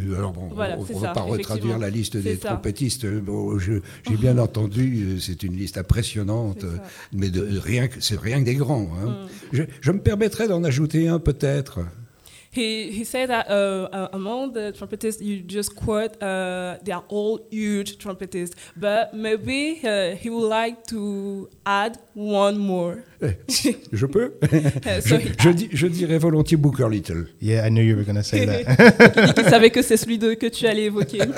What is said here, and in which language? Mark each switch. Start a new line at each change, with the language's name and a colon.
French: Alors bon, voilà, on ne va pas retraduire la liste des trompettistes. Bon, j'ai bien entendu, c'est une liste impressionnante, mais c'est rien que des grands. Hein. Je me permettrai d'en ajouter un peut-être.
English: He said that among the trumpetists you just quote, they are all huge trumpetists. But maybe he would like to add one more.
French: Je peux? je dirais volontiers Booker Little.
English: Yeah, I knew you were going to say that.
French: Il savait que c'est celui que tu allais évoquer.